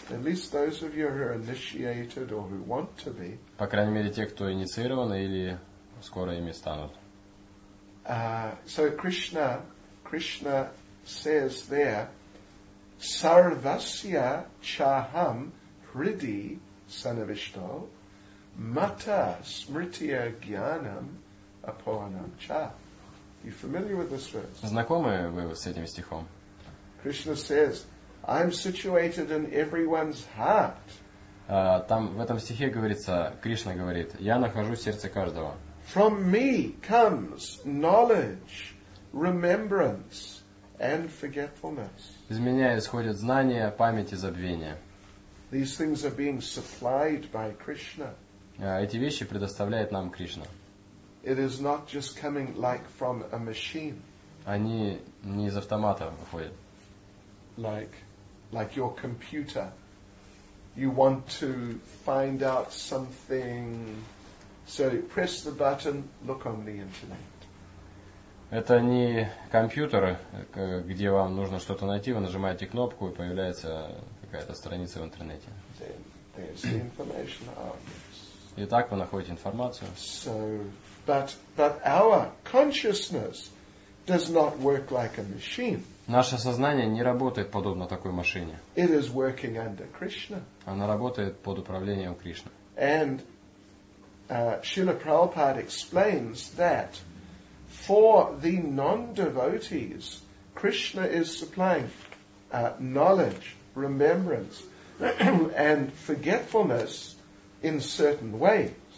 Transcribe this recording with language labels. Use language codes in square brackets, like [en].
[en] At least those of you who are initiated or who want to be. [ru] По крайней мере, те, кто инициированы или скоро ими станут. [en] So Krishna says there, [sa] Sarvasya Chaham Hridi Sanavishto. Mata smritya gyanam apohanam cha. [en] You familiar with this verse? [ru] Знакомы вы с этим стихом? [en] Krishna says, I'm situated in everyone's heart. [ru] Там в этом стихе говорится, Кришна говорит, я нахожусь в сердце каждого. [en] From me comes knowledge, remembrance and forgetfulness. [ru] Из меня исходят знания, память и забвение. [en] These things are being supplied by Krishna. [ru] Эти вещи предоставляет нам Кришна. [en] It is not just coming like from a machine. [ru] Они не из автомата выходят. [en] Like your computer. You want to find out something. So press the button, look on the internet. [ru] Это не компьютер, где вам нужно что-то найти, вы нажимаете кнопку и появляется какая-то страница в интернете. [en] There's the information out there. [ru] И так вы находите информацию. [en] So, but our consciousness does not work like a machine. [ru] Наше сознание не работает подобно такой машине. [en] It is working under Krishna. [ru] Оно работает под управлением Кришны. [en] And Srila Prabhupada explains that for the non-devotees, Krishna is supplying knowledge, remembrance and forgetfulness in certain ways.